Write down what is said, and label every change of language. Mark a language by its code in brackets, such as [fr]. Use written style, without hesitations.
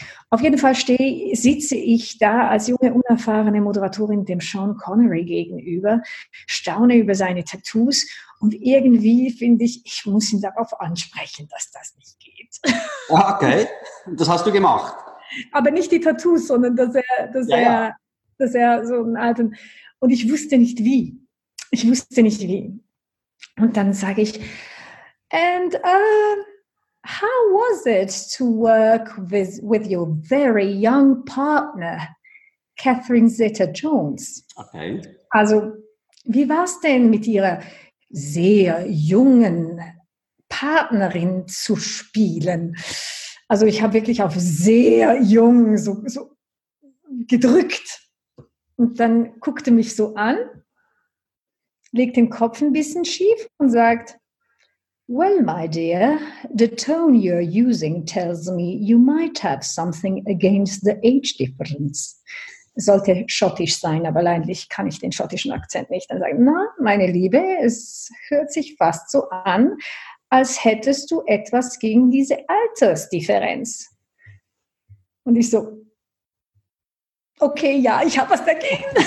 [de] Auf jeden Fall sitze ich da als junge, unerfahrene Moderatorin dem Sean Connery gegenüber, staune über seine Tattoos und irgendwie finde ich, ich muss ihn darauf ansprechen, dass das nicht geht. Okay, das hast du gemacht. Aber nicht die Tattoos, sondern dass er so einen alten... Und ich wusste nicht, wie. Ich wusste nicht, wie. Und dann sage ich, [en] how was it to work with your very young partner, Catherine Zeta-Jones? [de] Okay. Also, wie war es denn mit ihrer sehr jungen Partnerin zu spielen? Also, ich habe wirklich auf sehr jung so gedrückt. Und dann guckte mich so an, legt den Kopf ein bisschen schief und sagt... [en] Well, my dear, the tone you're using tells me you might have something against the age difference. [de] Sollte schottisch sein, aber leider kann ich den schottischen Akzent nicht. Dann sage ich, na, meine Liebe, es hört sich fast so an, als hättest du etwas gegen diese Altersdifferenz. Und ich so, okay, ja, ich habe was dagegen.